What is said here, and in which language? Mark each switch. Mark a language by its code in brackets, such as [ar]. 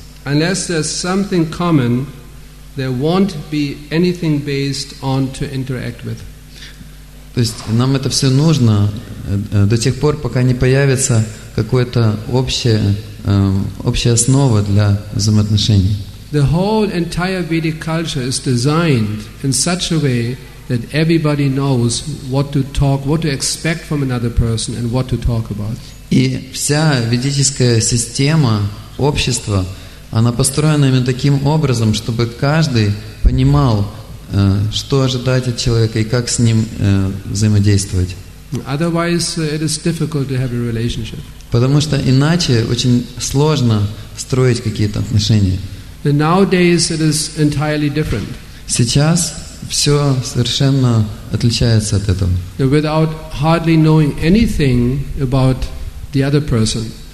[en] Unless there's something common, there won't be anything based on to interact with. [ru] То есть нам это все нужно до тех пор, пока не появится какая-то общая основа для взаимоотношений. [en] The whole entire Vedic culture is designed in such a way that everybody knows what to talk, what to expect from another person and what to talk about. [ru] И вся ведическая система общества, она построена именно таким образом, чтобы каждый понимал, что ожидать от человека и как с ним взаимодействовать. [en] Otherwise, it is difficult to have a relationship. [ru] Потому что иначе очень сложно строить какие-то отношения. [en] And nowadays, it is entirely different. [ru] Сейчас все совершенно отличается от этого. [en] And without hardly knowing anything about the other person.